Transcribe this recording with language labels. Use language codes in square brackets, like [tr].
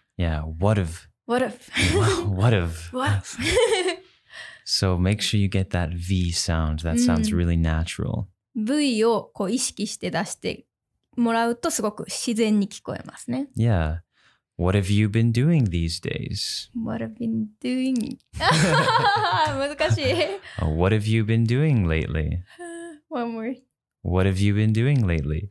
[en] Yeah, what of. What if? What if? What if? So make sure you get that V sound. That sounds really natural. [ja] V をこう意識して出してもらうとすごく自然に聞こえますね。 [en] Yeah. What have you been doing these days? What have been doing? 難しい。 What have you been doing lately? One more. What have you been doing lately?